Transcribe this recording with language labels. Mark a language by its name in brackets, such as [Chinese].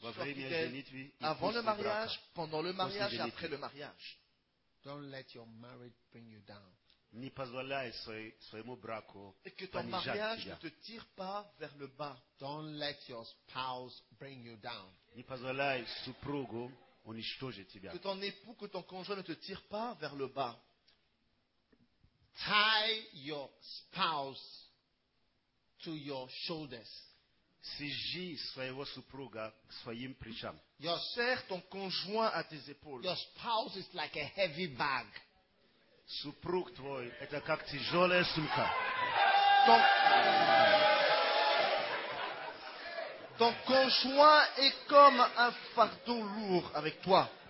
[French] Sois fidèle avant le mariage, pendant le mariage et après le mariage. [English] Don't let your marriage bring you down. [Russian] Не позволяй своему браку понижать тебя. [French] Et que ton mariage ne te tire pas vers le bas. [English] Don't let your spouse bring you down. [Russian] Не позволяй супругу уничтожить тебя. [French] Que ton époux, que ton conjoint ne te tire pas vers le bas. [English] Tie your spouse to your shoulders. [Russian] Сжи своего супруга к своим плечам. [French] Serre ton conjoint à tes épaules. [English] Your spouse is like a heavy bag. [Russian] Супруг твой это как тяжелая сумка. [French] Ton conjoint est comme un fardeau lourd avec toi.